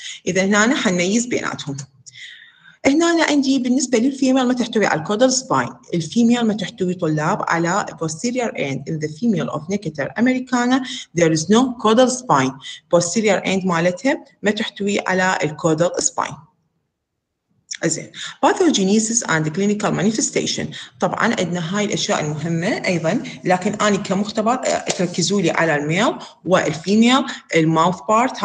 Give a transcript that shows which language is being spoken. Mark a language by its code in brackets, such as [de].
[ar] إذن هنا حنميز بيناتهم. هنا عندي بالنسبة للفيميل ما تحتوي على الكودل سباين. الفيميل ما تحتوي طلاب على [en] posterior end. In the female of Nicator Americana there is no caudal spine. Posterior end [ar] مالتها ما تحتوي على الكودل سباين. [en] زين. Pathogenesis and clinical manifestation. [ar] طبعا عندنا هاي الأشياء المهمة أيضا لكن أنا كمختبر تركزوا لي على الميل والفيميل الماوث بارت.